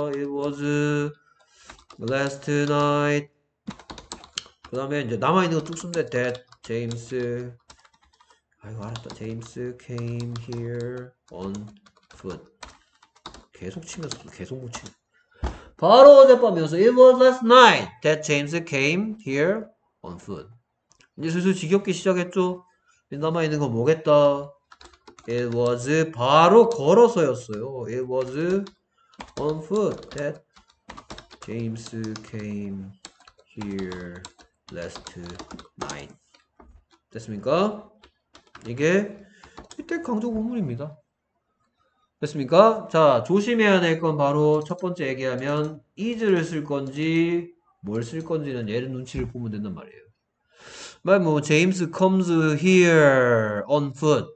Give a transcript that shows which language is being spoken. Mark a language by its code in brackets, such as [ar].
[en] It was last night. [ko] 그 다음에 이제 남아있는 거쭉 쓰면 돼. [en] That James. [ko] 아이고, 알았다. [en] James came here on foot. [ko] 계속 치면서 계속 못 치네. 바로 어젯밤이었어. [en] It was last night that James came here on foot. [ko] 이제 슬슬 지겹기 시작했죠. 남아있는 건 뭐겠다. [en] It was [ko] 바로 걸어서였어요. [en] It was on foot that James came here last night. [ko] 됐습니까? 이게 이때 강조 구문입니다. 됐습니까? 자, 조심해야 될 건 바로 첫 번째 얘기하면 is를 쓸 건지 뭘 쓸 건지는 얘는 눈치를 보면 된단 말이에요. [en] 뭐 James comes here on foot.